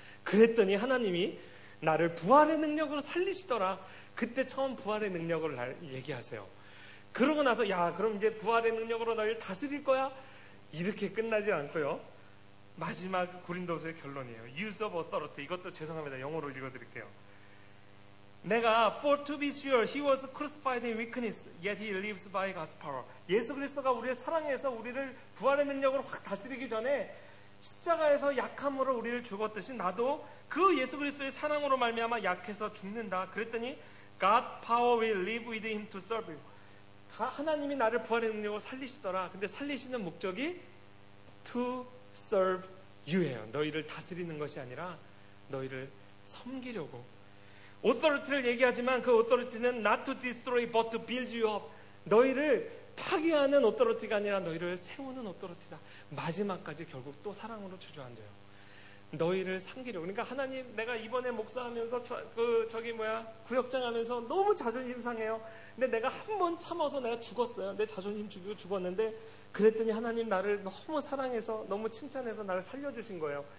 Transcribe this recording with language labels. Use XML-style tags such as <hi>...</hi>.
<ko>그랬더니 하나님이 나를 부활의 능력으로 살리시더라. 그때 처음 부활의 능력을 날 얘기하세요. 그러고 나서 야 그럼 이제 부활의 능력으로 너희를 다스릴 거야? 이렇게 끝나지 않고요. 마지막 고린도서의 결론이에요.</ko> <en>Use of authority.</en> <ko>이것도 죄송합니다. 영어로 읽어드릴게요. 내가</ko> <en>for to be sure he was crucified in weakness yet he lives by God's power.</en> <ko>예수 그리스도가 우리의 사랑에서 우리를 부활의 능력으로 확 다스리기 전에 십자가에서 약함으로 우리를 죽었듯이 나도 그 예수 그리스도의 사랑으로 말미암아 약해서 죽는다. 그랬더니</ko> <en>God power will live with him to serve you.</en> <ko>하나님이 나를 부활의 능력으로 살리시더라. 근데 살리시는 목적이</ko> <en>to serve you</en> <ko>예요. 너희를 다스리는 것이 아니라 너희를 섬기려고.</ko> <en>Authority를</en> <ko>얘기하지만 그</ko> <en>authority는 not to destroy but to build you up.</en> <ko>너희를 파괴하는 authority가 아니라 너희를 세우는 authority다. 마지막까지 결국 또 사랑으로 주저앉아요. 너희를 섬기려고. 그러니까 하나님 내가 이번에 목사하면서 구역장 하면서 너무 자존심 상해요. 근데 내가 한번 참아서 내가 죽었어요. 내 자존심 죽이고 죽었는데 그랬더니 하나님 나를 너무 사랑해서 너무 칭찬해서 나를 살려주신 거예요.</ko>